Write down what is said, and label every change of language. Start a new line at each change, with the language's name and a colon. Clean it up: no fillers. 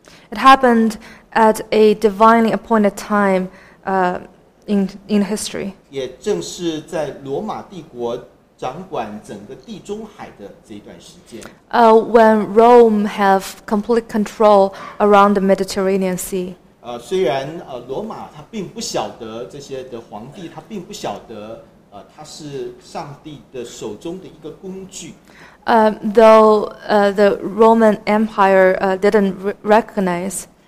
English: It happened at a divinely appointed time in history.
Chinese: 也正是在罗马帝国掌管整个地中海的这一段时间。
English: When Rome have complete control around the Mediterranean Sea.
Chinese: 虽然罗马他并不晓得这些的皇帝，他并不晓得他是上帝的手中的一个工具。
English: Though the Roman Empire didn't recognize.